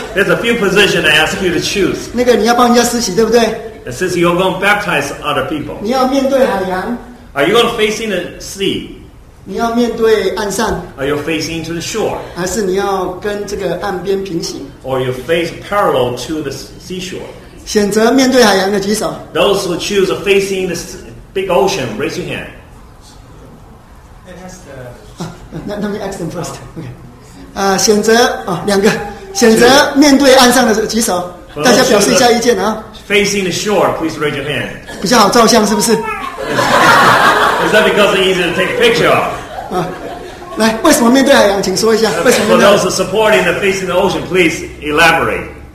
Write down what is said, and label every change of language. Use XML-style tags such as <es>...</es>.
<en>There's a few positions I ask you to choose.</en> <zh>那个你要帮人家施洗，对不对</zh> <en>？Since you're going to baptize other people.</en> <zh>你要面对海洋。</zh> <en>Are you going to facing the sea?</en> <zh>你要面对岸上。</zh> <en>Are you facing to the shore?</en> <zh>还是你要跟这个岸边平行？</zh> <en>Or you face parallel to the seashore?</en> <zh>选择面对海洋的举手。</zh> <en>Those who choose facing the big ocean, raise your hand. Let me ask them first. Okay.</en> <zh>选择两个，选择面对岸上的举手。大家表示一下意见啊。</zh> <en>Facing the shore, please raise your hand.</en> <zh>比较好照相是不是？</zh> <en>Is that because it's easy to take a picture of?</en> <zh>来，为什么面对海洋？请说一下为什么面对。</zh> <en>For those supporting the facing the ocean, please elaborate.</en>